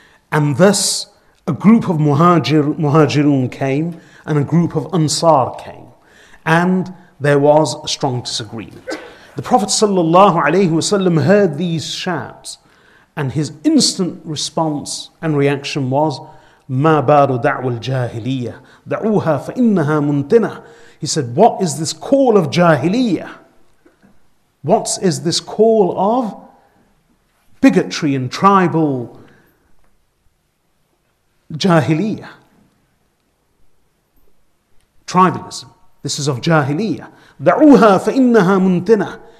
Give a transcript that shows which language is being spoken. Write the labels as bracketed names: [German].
[English] And thus a group of Muhajirun came and a group of Ansar came, and there was a strong disagreement. The Prophet sallallahu alaihi wasallam heard these shouts, and his instant response and reaction was, [Arabic] ما بال دعوة الجاهلية دعوها فإنها منتنة. [English] He said, what is this call of jahiliya? What is this call of bigotry and tribal jahiliya? Tribalism. This is of jahiliya. [Arabic] دَعُوهَا فَإِنَّهَا مُنْتِنَةً.